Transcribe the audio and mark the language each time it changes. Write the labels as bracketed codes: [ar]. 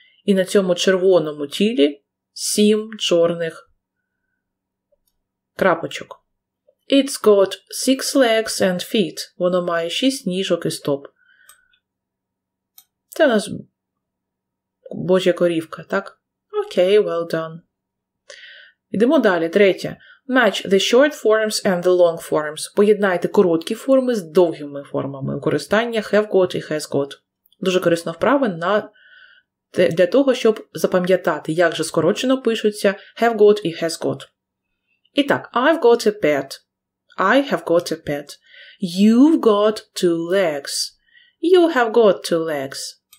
[uk] І на цьому червоному тілі 7 чорних крапочок. [en] It's got 6 legs and feet. [uk] Воно має 6 ніжок і стоп. Це у нас божа корівка, так? [en] Okay, well done. [uk] Йдемо далі. Третє. [en] Match the short forms and the long forms. [uk] Поєднайте короткі форми з довгими формами використання have got і has got. Дуже корисна вправа на для того, щоб запам'ятати, як же скорочено пишуться have got і has got. І так, [en] I've got a pet. I have got a pet. You've got two legs. You have got two legs.